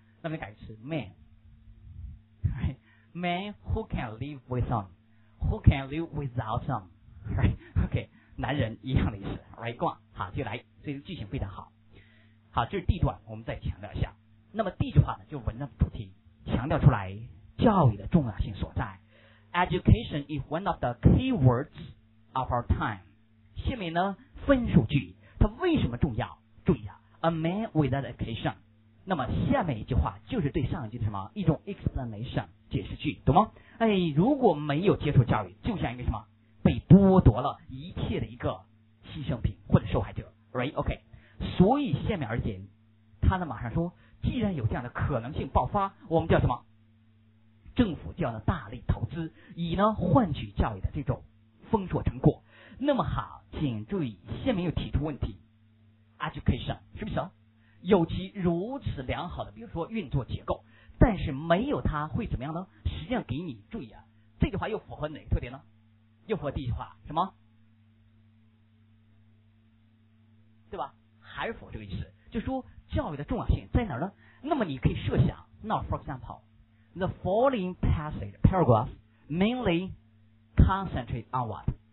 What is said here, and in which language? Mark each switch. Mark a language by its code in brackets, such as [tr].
[zh] 那么改词 [en] man, right, man who can live with them, who can live without them, Right, OK, [zh] 男人一样的意思 [en] ，Right, [zh] 逛好就来，所以这个句型非常好。好，这是第一段，我们再强调一下。那么第一句话呢，就文章的主题，强调出来教育的重要性所在。 [en] Education is one of the key words of our time. [zh] 下面呢，分数句，它为什么重要？注意啊 ， [en] A man without education. [zh] 那么下面一句话就是对上一句的什么一种 explanation 解释句，懂吗？哎，如果没有接受教育，就像一个什么被剥夺了一切的一个牺牲品或者受害者 ，right? OK. 所以下面而言他呢马上说，既然有这样的可能性爆发，我们叫什么政府就要呢大力投资，以呢换取教育的这种丰硕成果。那么好，请注意下面又提出问题， education 是不是有其如此良好的比如说运作结构，但是没有它会怎么样呢？实际上给你注意啊，这句话又符合哪个特点呢？又符合第一句话什么，对吧？还是否这个意思，就说教育的重要性在哪儿呢？那么你可以设想 [en] Now for example, the following passage paragraph mainly concentrate on what?